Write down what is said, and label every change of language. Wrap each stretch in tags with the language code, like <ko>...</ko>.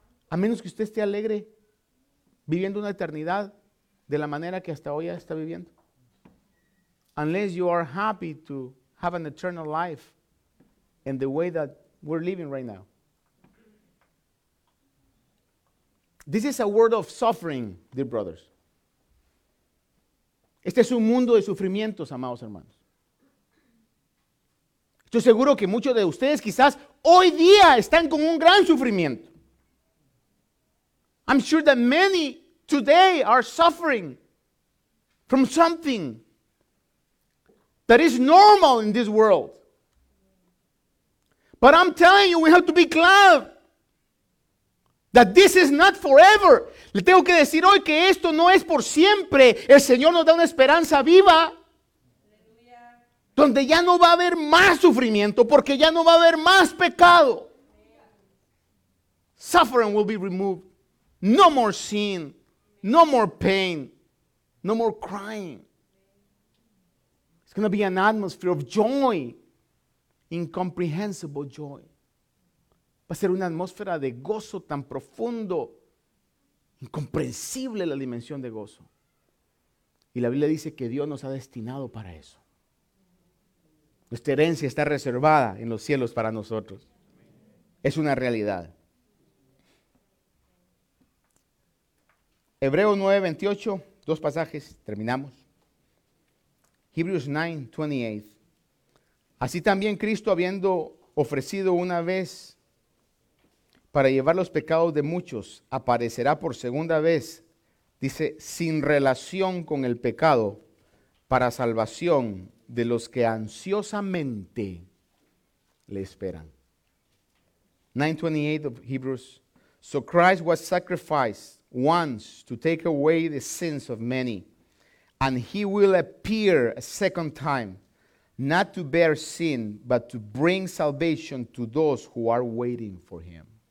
<es>A menos que usted esté alegre viviendo una eternidad de la manera que hasta hoy está viviendo.</es> <en>Unless you are happy to have an eternal life in the way that we're living right now. This is a world of suffering, dear brothers.</en> <es>Este es un mundo de sufrimientos, amados hermanos. Estoy seguro que muchos de ustedes quizás hoy día están con un gran sufrimiento.</es> <en>I'm sure that many today are suffering from something that is normal in this world. But I'm telling you, we have to be glad that this is not forever.</en> <es>Le tengo que decir hoy que esto no es por siempre. El Señor nos da una esperanza viva donde ya no va a haber más sufrimiento, porque ya no va a haber más pecado.</es> <en>Suffering will be removed. No more sin. No more pain. No more crying. It's going to be an atmosphere of joy. Incomprehensible joy.</en> <es>Va a ser una atmósfera de gozo tan profundo, incomprensible la dimensión de gozo. Y la Biblia dice que Dios nos ha destinado para eso. Nuestra herencia está reservada en los cielos para nosotros. Es una realidad. Hebreos 9:28, dos pasajes, terminamos. Hebrews 9:28. Así también Cristo, habiendo ofrecido una vez para llevar los pecados de muchos, aparecerá por segunda vez, dice, sin relación con el pecado, para salvación de los que ansiosamente le esperan.</es> <en>9:28 of Hebrews. So Christ was sacrificed once to take away the sins of many, and he will appear a second time, not to bear sin, but to bring salvation to those who are waiting for him.</en>